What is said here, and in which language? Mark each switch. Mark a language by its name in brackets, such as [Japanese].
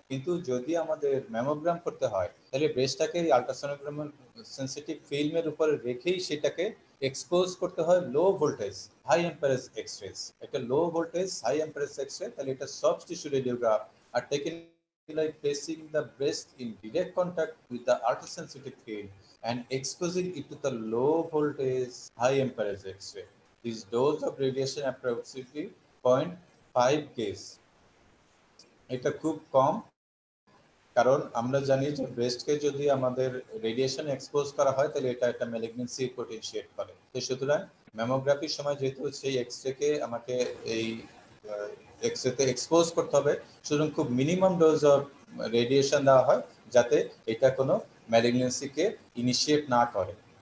[Bangla] কিন্তু যদি আমাদের ম্যামোগ্রাম করতে হয়, তাহলে ব্রেস্টটাকে এই আল্ট্রাসোনোগ্রাম সেন্সিটিভ ফিল্মের উপরে রেখেই সেটাকে এক্সপোজ করতে হয় লো ভোল্টেজ হাই এম্পারেজ এক্সরেস। [English] একটা low voltage high amperage x-ray, [Bangla] তাহলে এটা [English] Soft tissue radiograph are taken like placing the breast in direct contact with the ultrasensitive field and exposing it to the low voltage high amperage x-ray. This dose of radiation approximately 0.5 gauge. [Bangla] এটা খুব কম, কারণ আমরা জানি যে ব্রেস্টকে যদি আমাদের radiation expose করা হয়, তাহলে এটা একটা ম্যালিগনেন্সি পোটেনশিয়েট করে। তো সুতরাং ম্যামোগ্রাফির সময় যেহেতু সেই এক্সরেকে আমাকে এই এক্সরেতে এক্সপোজ করতে হবে, সুতরাং খুব মিনিমাম ডোজ অফ রেডিয়েশন দেওয়া হয় যাতে এটা কোনো ম্যালিগনেন্সিকে ইনিশিয়েট না করে।